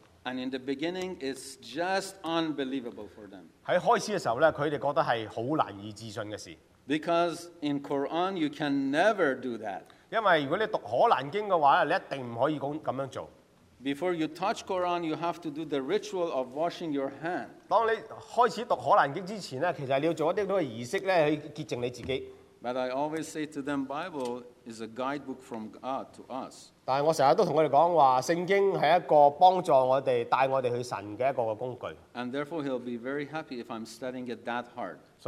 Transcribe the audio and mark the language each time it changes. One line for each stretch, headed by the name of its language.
English: And in the beginning, it's just unbelievable for them.
Chinese: 在開始的時候,他們覺得是很難以置信的事。
English: Because in Quran, you can never do that.
Chinese: 因為如果你讀可蘭經的話,你一定不可以這樣做。
English: Before you touch Quran, you have to do the ritual of washing your hand.
Chinese: 當你開始讀可蘭經之前,其實你要做一些儀式去潔淨你自己。
English: But I always say to them, Bible is a guidebook from God to us.
Chinese: 但我經常都跟他們說,聖經是一個幫助我們,帶我們去神的一個工具。
English: And therefore he'll be very happy if I'm studying it that hard.